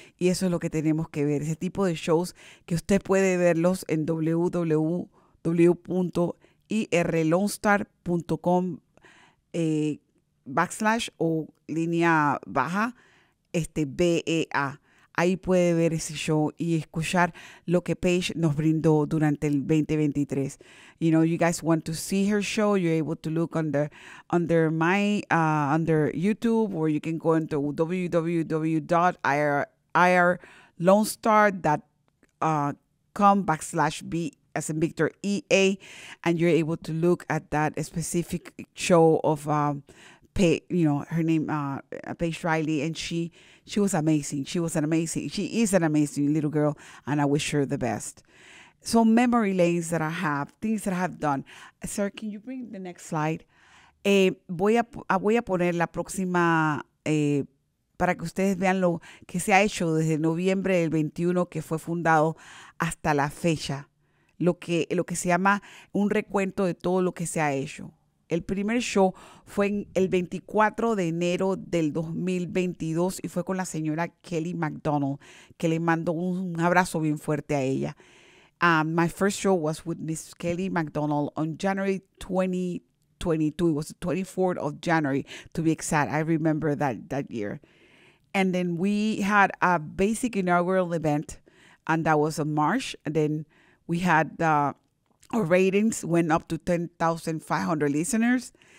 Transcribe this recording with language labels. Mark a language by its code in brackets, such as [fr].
[es] Y eso es lo que tenemos que ver. Ese tipo de shows que usted puede verlos en www.irlonestar.com / o línea baja BEA. Ahí puede ver ese show y escuchar lo que Paige nos brindó durante el 2023. [en] You know, you guys want to see her show, you're able to look under YouTube, or you can go into www.irlonestar.com/BEA, and you're able to look at that specific show of Paige Riley, and she was amazing. She is an amazing little girl, and I wish her the best. So memory lanes that I have, things that I have done. Sir, can you bring the next slide? [es] Voy a poner la próxima para que ustedes vean lo que se ha hecho desde noviembre del 21 que fue fundado hasta la fecha. Lo que se llama un recuento de todo lo que se ha hecho. El primer show fue en el 24 de enero del 2022 y fue con la señora Kelly McDonald, que le mandó un abrazo bien fuerte a ella. [en] My first show was with Miss Kelly McDonald on January 2022. It was the 24th of January, to be exact. I remember that year. And then we had a basic inaugural event, and that was in March. And then we had our ratings went up to 10,500 listeners.